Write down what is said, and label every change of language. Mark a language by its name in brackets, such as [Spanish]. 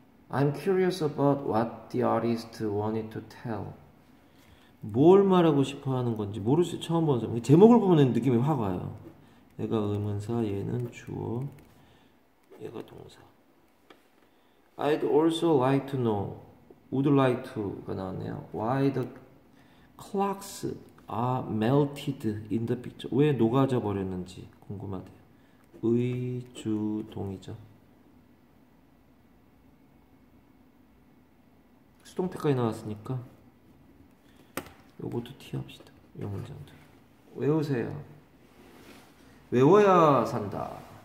[English] 'I'm curious about what the artist wanted to tell.' [Korean] 뭘 말하고 싶어 하는 건지 모를 수 처음 본 사람. 제목을 보면 느낌이 확 와요. 얘가 의문사, 얘는 주어, 얘가 동사. [English] I'd also like to know, would like to가 나왔네요. Why the clocks are melted in the picture? [Korean] 왜 녹아져 버렸는지 궁금하대요. 의주동이죠. 수동태까지 나왔으니까 요것도 티합시다. 요 문장도 외우세요. 외워야 산다.